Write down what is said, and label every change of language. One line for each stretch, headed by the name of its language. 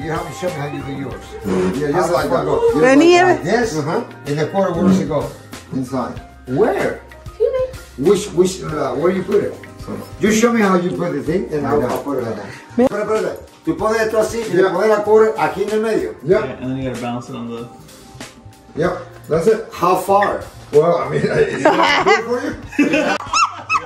English: You have to show me how you do yours. Yeah, just like that.
Spanish: Venía.
English: Yes. In the corner, where does it go? Inside. Where? Which where you put it? You show me how you put the thing, and I'll put it like that. Put it.
Spanish: Tú pones esto así y le pones la cuerda aquí en el medio.
English: Yeah. And then you gotta balance it on the. Yep. That's it. How far? Well, I mean, is it good for you?